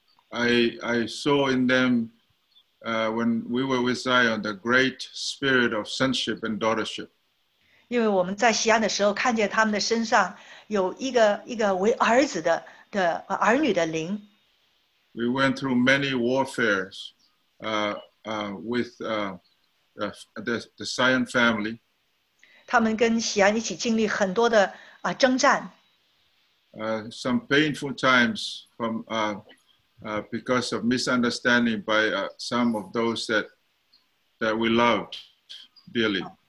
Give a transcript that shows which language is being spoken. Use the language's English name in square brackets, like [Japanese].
[English] I saw in them when we were with Zion the great spirit of sonship and daughtership. [Chinese] 因为我们在西安的时候看见他们的身上有一个为儿女的灵。 [English] We went through many warfares with the Zion family. [Chinese] 他们跟西安一起经历很多的,征战。 [English] Some painful times from because of misunderstanding by some of those that we loved dearly.